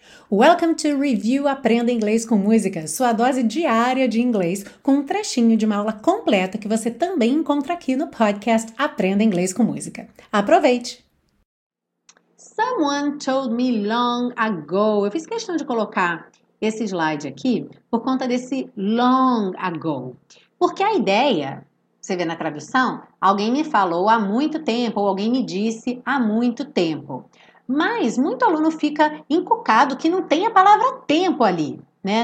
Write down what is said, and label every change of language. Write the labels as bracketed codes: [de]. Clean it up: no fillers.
[en] Welcome to Review [pt] Aprenda Inglês com Música, sua dose diária de inglês, com um trechinho de uma aula completa que você também encontra aqui no podcast Aprenda Inglês com Música. Aproveite! [en] Someone told me long ago. [pt] Eu fiz questão de colocar esse slide aqui por conta desse [en] long ago. [pt] Porque a ideia, você vê na tradução, alguém me falou há muito tempo ou alguém me disse há muito tempo. Mas muito aluno fica encucado que não tem a palavra tempo ali, né?